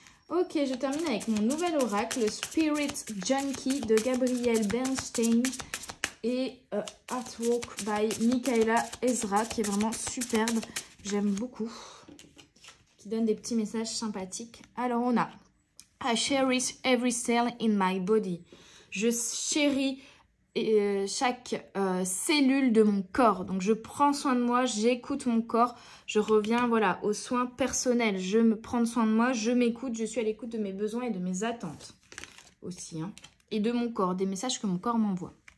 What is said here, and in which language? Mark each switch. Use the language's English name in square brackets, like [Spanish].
[French] Ok, je termine avec mon nouvel oracle, le Spirit Junkie de Gabrielle Bernstein et Artwork by Michaela Ezra, qui est vraiment superbe. J'aime beaucoup. Qui donne des petits messages sympathiques. Alors, on a [English] I cherish every cell in my body. [French] Je chéris. Et chaque cellule de mon corps. Donc, je prends soin de moi, j'écoute mon corps, je reviens, voilà, aux soins personnels. Je me prends soin de moi, je m'écoute, je suis à l'écoute de mes besoins et de mes attentes aussi, hein. Et de mon corps, des messages que mon corps m'envoie.